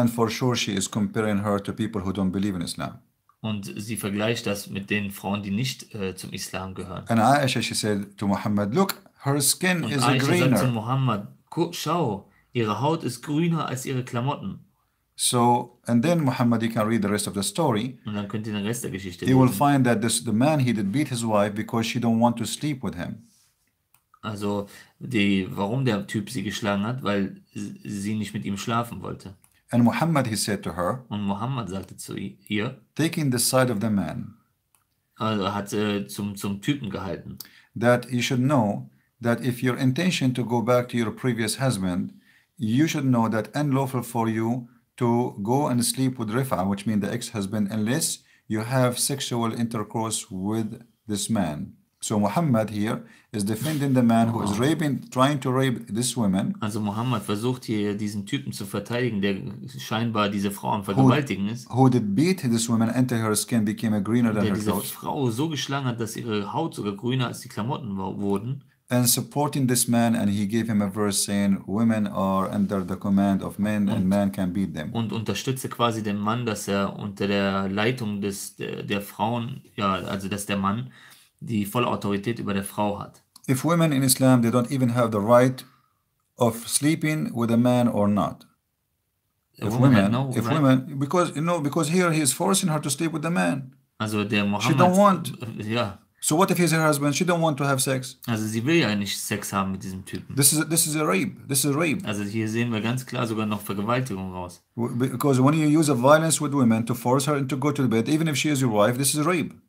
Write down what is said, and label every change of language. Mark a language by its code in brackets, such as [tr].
[en] And for sure she is comparing her to people who don't believe in Islam. [de] Und sie vergleicht das mit den Frauen, die nicht zum Islam gehören. [en] And Aisha, she said to Muhammad, look, her skin [de] und [en] is Aisha a greener. [de] Und Aisha sagt zu Muhammad, schau, ihre Haut ist grüner als ihre Klamotten. [en] So, and then Muhammad, you can read the rest of the story. [de] Und dann könnt ihr den Rest der Geschichte lesen. [en] He will find that the man, he did beat his wife because she don't want to sleep with him. [de] Also, warum der Typ sie geschlagen hat, weil sie nicht mit ihm schlafen wollte. [en] And Muhammad, he said to her. [de] Und Muhammad sagte zu ihr. [en] Taking the side of the man. [de] Also hat zum Typen gehalten. [en] That you should know that if your intention to go back to your previous husband, you should know that unlawful for you to go and sleep with Rifa, which means the ex-husband, unless you have sexual intercourse with this man. So Muhammad here is defending the man who is trying to rape this woman. [de] Also Muhammad versucht hier diesen Typen zu verteidigen, der scheinbar diese Frau am Vergewaltigen ist. [en] Who did beat this woman until her skin became a greener than her clothes. [de] Der diese Frau so geschlagen hat, dass ihre Haut sogar grüner als die Klamotten wurden. [en] And supporting this man, and he gave him a verse saying, women are under the command of men and man can beat them. [de] Und unterstütze quasi den Mann, dass er unter der Leitung der Frauen, ja, also dass der Mann die volle Autorität über der Frau hat. [en] If women in Islam, they don't even have the right of sleeping with a man or not. Because here he is forcing her to sleep with the man. [de] Also der Muhammad. [en] She don't want. Yeah. So what if he's her husband? She don't want to have sex. [de] Also sie will ja nicht Sex haben mit diesem Typen. [en] This is a rape. [de] Also hier sehen wir ganz klar sogar noch Vergewaltigung raus. [en] Because when you use a violence with women to force her into go to the bed, even if she is your wife, this is rape.